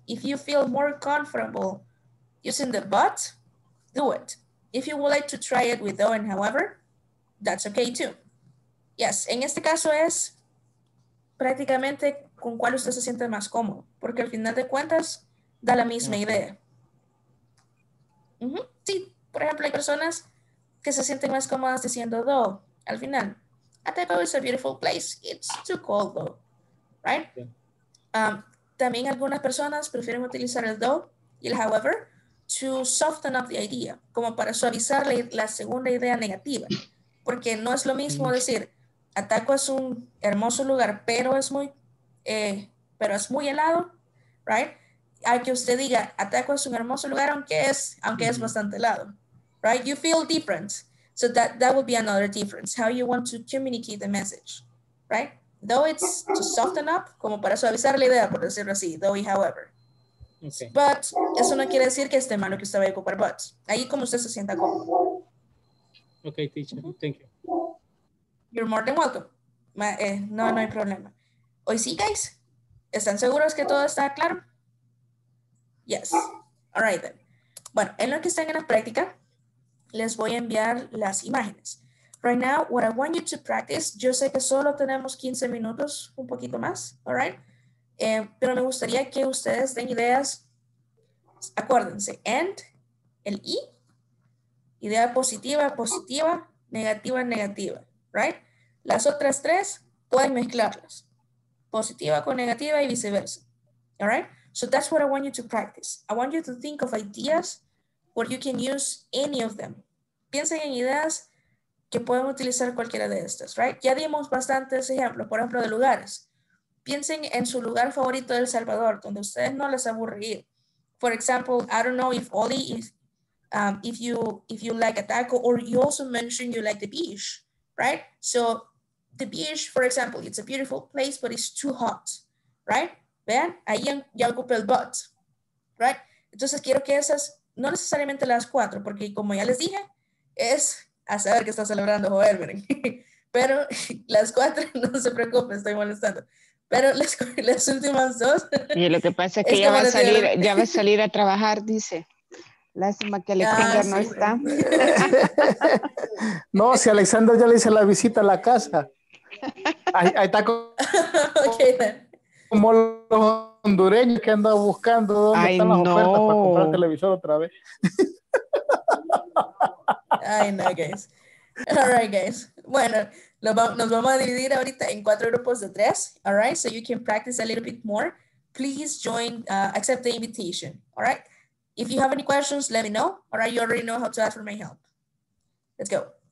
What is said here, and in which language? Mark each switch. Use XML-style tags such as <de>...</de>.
<en>If you feel more comfortable using the but, do it. If you would like to try it with though and however, that's okay too.</en> <es>Yes, en este caso es prácticamente con cuál usted se siente más cómodo, porque al final de cuentas da la misma idea. Mm-hmm. Sí, por ejemplo, hay personas que se sienten más cómodas diciendo though al final.</es> <en>Ataco is a beautiful place. It's too cold though. Right?</en> <es>Yeah. También algunas personas prefieren utilizar el though y el however</es> <en>to soften up the idea,</en> <es>como para suavizar la segunda idea negativa. Porque no es lo mismo decir, Ataco es un hermoso lugar, pero es muy helado, right? a que usted diga Ataco es un hermoso lugar aunque es bastante helado, right?</es> <en>You feel different, so that would be another difference how you want to communicate the message, right? Though it's to soften up,</en> <es>como para suavizar la idea, por decirlo así, though y however. Okay. But eso no quiere decir que esté malo que usted vaya a ocupar but. Ahí como usted se sienta cómodo.</es> <en>Okay, teacher. Mm-hmm. Thank you. You're more than welcome.</en> <es>No hay problema. Hoy sí,</es> <en>guys.</en> <es>¿Están seguros que todo está claro? Yes.</es> <en>All right then.</en> <es>Bueno, en lo que están en la práctica, les voy a enviar las imágenes.</es> <en>Right now, what I want you to practice,</en> <es>yo sé que solo tenemos 15 minutos, un poquito más,</es> <en>all right?</en> <es>Pero me gustaría que ustedes den ideas, acuérdense, and, el y, idea positiva, positiva, negativa, negativa, right? Las otras tres, pueden mezclarlas, positiva con negativa y viceversa, all right?</es> <en>So that's what I want you to practice. I want you to think of ideas where you can use any of them.</en> <es>Piensen en ideas que pueden utilizar cualquiera de estas, right? Ya dimos bastantes ejemplos, por ejemplo, de lugares. Piensen en su lugar favorito de El Salvador, donde ustedes no les aburre ir.</es> <en>For example, I don't know if Oli, if you like a taco, or you also mentioned you like the beach, right? So the beach, for example, it's a beautiful place, but it's too hot, right?</en> <es>Vean, ahí ya ocupé el but, right? Entonces quiero que esas, no necesariamente las cuatro, porque como ya les dije, es a saber que está celebrando Joel, miren. Pero las cuatro, no se preocupen, estoy molestando. Pero las últimas dos. Y lo que pasa es que ya va a salir, ya va a salir a trabajar, dice. Lástima que Alexander no está. No, si Alexander ya le hice la visita a la casa. Ahí está con... Okay, como los hondureños que andan buscando dónde están las ofertas para comprar televisor otra vez.</es> <en>Ay, no, guys. All right, guys.</en> <es>Bueno, nos vamos a dividir ahorita en cuatro grupos de tres.</es> <en>All right, so you can practice a little bit more. Please join, accept the invitation. All right. If you have any questions, let me know. All right, you already know how to ask for my help. Let's go.</en>